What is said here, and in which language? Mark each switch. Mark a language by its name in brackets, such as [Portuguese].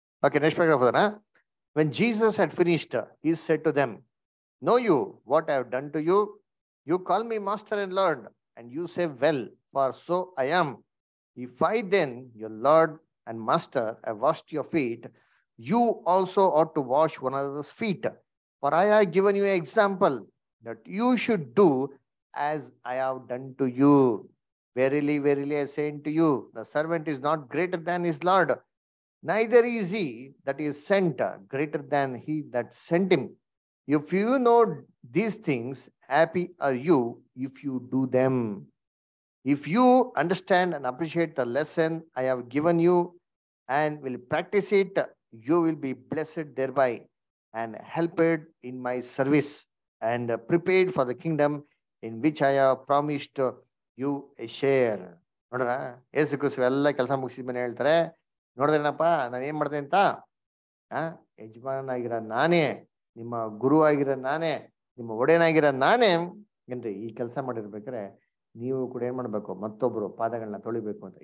[English] Okay, next paragraph ಅದನ್ನ, when Jesus had finished ಈ set to them, no you what I have done to you, you call me master and lord and you say well for so I am, if I then your lord and master I washed your feet, you also at to wash one others feet, for I have given you example that you should do as I have done to you. Verily, verily, I say unto you, the servant is not greater than his Lord, neither is he that is sent greater than he that sent him. If you know these things, happy are you if you do them. If you understand and appreciate the lesson I have given you and will practice it, you will be blessed thereby and helped in my service and prepared for the kingdom in which I have promised you a share. [Kannada] ನೋಡ್ರ ಯೇಸು ಕ್ರಿಸ್ತ ಎಲ್ಲ ಕೆಲಸ ಮುಗಿಸಿದ ಮೇಲೆ ಹೇಳ್ತಾರೆ, ನೋಡಿದ್ರೇನಪ್ಪ ನಾನು ಏನ್ ಮಾಡ್ದೆ ಅಂತ, ಯಜಮಾನನಾಗಿರ ನಾನೇ, ನಿಮ್ಮ ಗುರು ಆಗಿರ ನಾನೇ, ನಿಮ್ಮ ಒಡೆಯನಾಗಿರ ನಾನೇ ಏನ್ರಿ ಈ ಕೆಲಸ ಮಾಡಿರ್ಬೇಕ್ರೆ ನೀವು ಕೂಡ ಏನ್ ಮಾಡ್ಬೇಕು, ಮತ್ತೊಬ್ರು ಪಾದಗಳನ್ನ ತೊಳಿಬೇಕು ಅಂತ.